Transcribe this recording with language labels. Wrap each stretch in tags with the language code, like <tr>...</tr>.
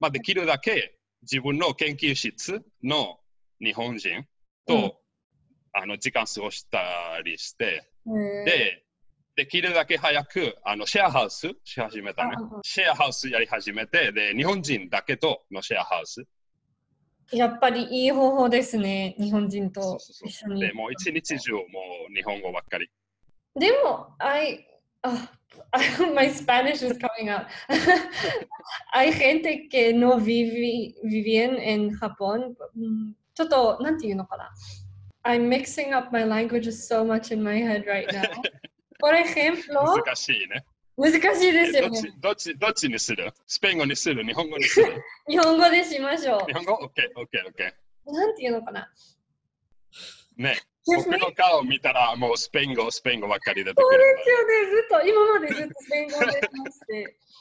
<ja>で、最初は本当はもうできるだけ外国人を避けてたね。あんま会わないように話さないようにして、あ、外国人と?で、日本人だけと話したんですか?っていうこと。そのわけではないけど、最初は半年は大学の寮に住んでて、で、その時はまあ中国人の友達とかあの、いろんな国籍の人いたんだけど、まあできるだけ自分の研究室の 日本人と、時間過ごしたりして、で、できるだけ早く、シェアハウス始めたね。シェアハウスやり始めて、で、日本人だけとのシェアハウス。やっぱりいい方法ですね、日本人と一緒に。そうそうそう。で、もう一日中もう日本語ばっかり。でも、</ja> <en>my Spanish is coming out.</en> <es>Hay gente que no vivían en Japón.</es> <ja>ちょっと、なんていうのかな?</ja> <en>I'm mixing up my languages so much in my head right now.</en> <es>Por ejemplo...</es> <ja>難しいね。難しいですよね。どっちにする? スペイン語にする?日本語にする? 日本語でしましょう。</ja> <en>日本語? OK, OK, OK.</en> <ja>なんていうのかな? ね、僕の顔を見たらもうスペイン語、スペイン語ばっかり出てくるから。そうですよね、ずっと今までずっとスペイン語でまして。</ja>